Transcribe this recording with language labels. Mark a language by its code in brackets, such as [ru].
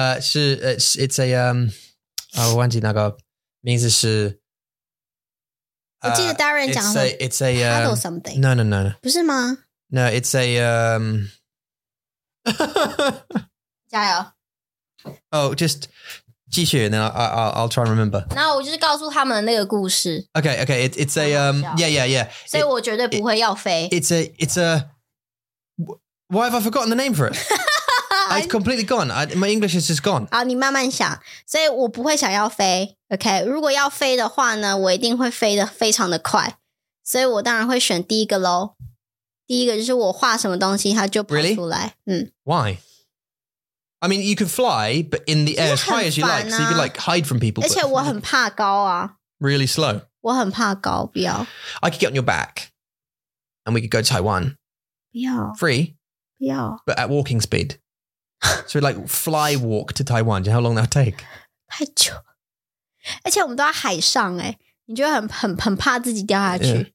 [zh] 是 it's a, 我忘记那个名字是。我记得 Darren 讲 [en] 说 it's a, paddle something. No. [zh] 不是吗 [en] No, it's a, [zh] 加油 [en] Oh, just 继续 And then I'll try and remember [zh] 那我就是告诉他们那个故事 [en] Okay, it's a Yeah [zh] 所以我绝对不会要飞 [en] It's a Why have I forgotten the name for it? It's completely gone My English is just gone [zh] 好你慢慢想所以我不会想要飞 Okay 如果要飞的话呢我一定会飞得非常的快所以我当然会选第一个咯第一个就是我画什么东西它就跑出来、 [en] Why? I mean, you can fly, but in the air, as high as you like, so you can like hide from people. [zh] 而且我很怕高啊。 [en] Really slow. [zh] 我很怕高，不要。 [en] I could get on your back, and we could go to Taiwan. [zh] 不要。 [en] Free? [zh] 不要。 [en] But at walking speed. So like fly walk to Taiwan, do you know how long that would take? [zh] 太久。而且我们都在海上耶，你就很怕自己掉下去。